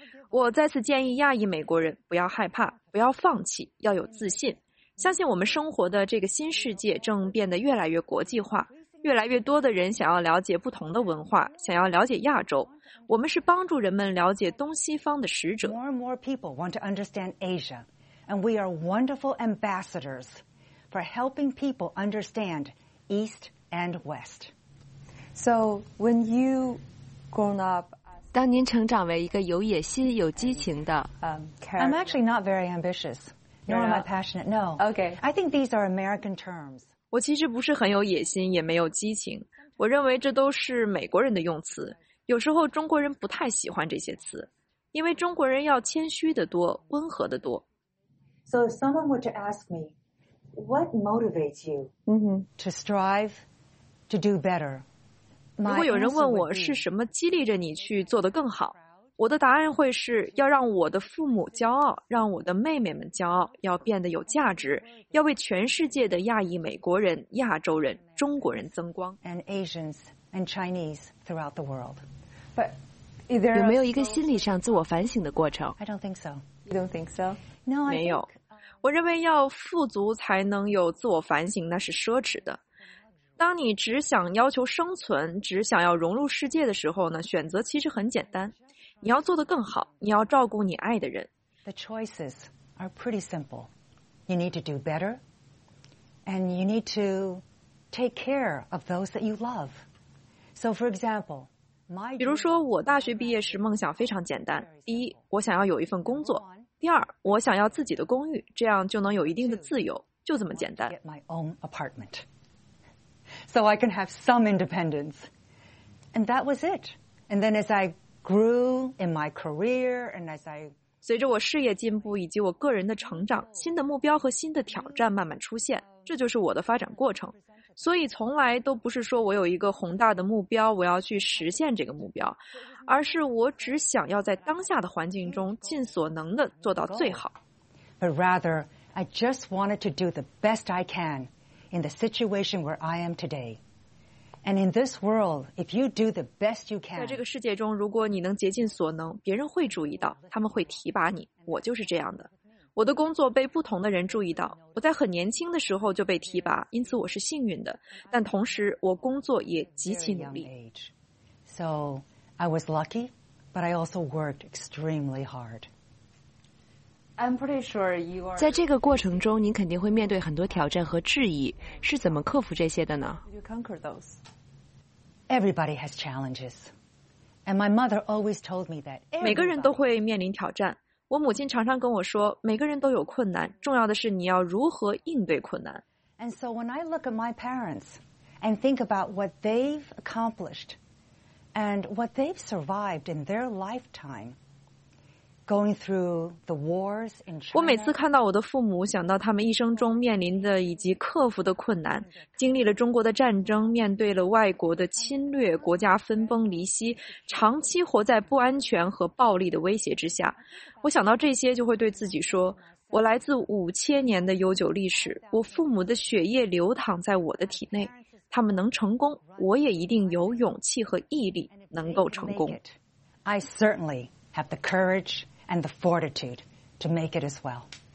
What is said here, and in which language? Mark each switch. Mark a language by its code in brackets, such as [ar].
[zh] 我再次建议亚裔美国人，不要害怕，不要放弃，要有自信，相信我们生活的这个新世界正变得越来越国际化，越来越多的人想要了解不同的文化，想要了解亚洲，我们是帮助人们了解东西方的使者。 [en] More and more people want to understand Asia, and we are wonderful ambassadors for helping people understand East and West. So when you grown up, [zh] 当您成长为一个有野心、有激情的 [en] I'm actually not very ambitious, nor am I passionate. No. Okay. I think these are American terms. [zh] 我其实不是很有野心，也没有激情。我认为这都是美国人的用词。有时候中国人不太喜欢这些词，因为中国人要谦虚的多，温和的多。 [en] So if someone were to ask me, what motivates you to strive to do better? [zh] 如果有人问我是什么激励着你去做得更好，我的答案会是要让我的父母骄傲，让我的妹妹们骄傲，要变得有价值，要为全世界的亚裔美国人、亚洲人、中国人增光。 [en] And Asians and Chinese throughout the world. But is there [zh] 有没有一个心理上自我反省的过程 [en] ？I don't think so. You don't think so? No, I think, [zh] 没有。我认为要富足才能有自我反省，那是奢侈的。当你只想要求生存，只想要融入世界的时候呢，选择其实很简单。你要做得更好，你要照顾你爱的人。 [en] The choices are pretty simple. You need to do better, and you need to take care of those that you love. So, for example, my [zh] 比如说，我大学毕业时梦想非常简单：第一，我想要有一份工作；第二，我想要自己的公寓，这样就能有一定的自由，就这么简单。 [en] Get my own apartment, so I can have some independence, and that was it. And then as I grew in my career, and as I [zh] 随着我事业进步以及我个人的成长，新的目标和新的挑战慢慢出现，这就是我的发展过程。所以从来都不是说我有一个宏大的目标，我要去实现这个目标，而是我只想要在当下的环境中尽所能的做到最好。 [en] But rather, I just wanted to do the best I can in the situation where I am today. And in this world, if you do the best you can, [zh] 在这个世界中，如果你能竭尽所能，别人会注意到，他们会提拔你。我就是这样的。我的工作被不同的人注意到。我在很年轻的时候就被提拔，因此我是幸运的。但同时，我工作也极其努力。 [en] So I was lucky, but I also worked extremely hard. I'm pretty sure you are. [zh] 在这个过程中，您肯定会面对很多挑战和质疑，是怎么克服这些的呢 [en] ？You conquer those. Everybody has challenges, and my mother always told me that. [zh] 每个人都会面临挑战。我母亲常常跟我说，每个人都有困难，重要的是你要如何应对困难。 [en] And so when I look at my parents and think about what they've accomplished and what they've survived in their lifetime, going through the wars in China. [zh] 我每次看到我的父母，想到他们一生中面临的以及克服的困难，经历了中国的战争，面对了外国的侵略，国家分崩离析，长期活在不安全和暴力的威胁之下。我想到这些，就会对自己说，我来自5000年的悠久历史，我父母的血液流淌在我的体内，他们能成功，我也一定有勇气和毅力能够成功。 [en] I certainly. Have the courage and the fortitude to make it as well.